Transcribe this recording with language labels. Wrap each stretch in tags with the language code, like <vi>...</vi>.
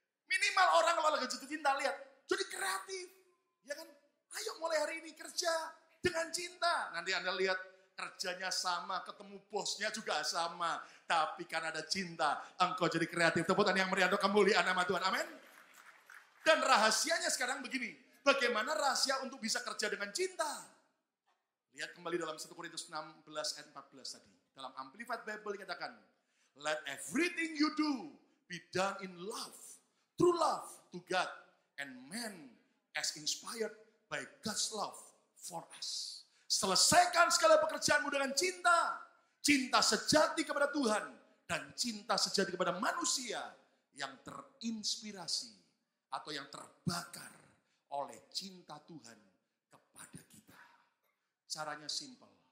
<id>Minimal orang kalau lagi jatuh cinta, lihat, jadi kreatif. Ya kan, ayo mulai hari ini kerja dengan cinta. Nanti Anda lihat, kerjanya sama, ketemu bosnya juga sama. Tapi kan ada cinta, engkau jadi kreatif. Tepuk tangan yang meriah untuk kemuliaan nama Tuhan. Amin. Dan rahasianya sekarang begini, bagaimana rahasia untuk bisa kerja dengan cinta? Lihat kembali dalam 1 Korintus 16 ayat 14 tadi. Dalam Amplified Bible dikatakan,</id> <en>let everything you do be done in love, true love to God and man as inspired by God's love for us.</en> <id>Selesaikan segala pekerjaanmu dengan cinta. Cinta sejati kepada Tuhan dan cinta sejati kepada manusia yang terinspirasi atau yang terbakar oleh cinta Tuhan kepada kita. Caranya simpel.</id>